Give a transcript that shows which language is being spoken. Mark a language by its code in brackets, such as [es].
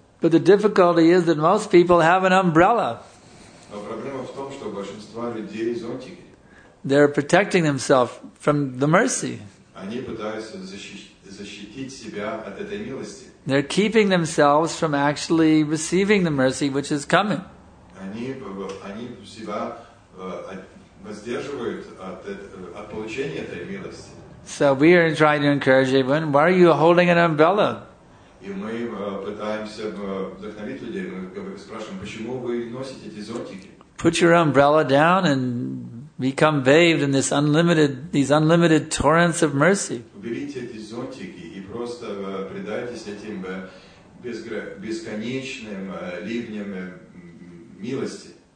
[en] But the difficulty is that most people have an umbrella. [ru] Но проблема в том, что большинство людей зонтики. [en] They're protecting themselves from the mercy. [ru] Они пытаются защитить себя от этой милости. [en] They're keeping themselves from actually receiving the mercy which is coming. [ru] Они себя воздерживают от получения этой милости. [en] So we are trying to encourage everyone. Why are you holding an umbrella? [ru] И мы пытаемся вдохновить людей. Мы спрашиваем, почему вы носите эти зонтики? [en] Put your umbrella down and become bathed in these unlimited torrents of mercy. [ru] Уберите эти зонтики и просто предайтесь этим бесконечным ливням милости.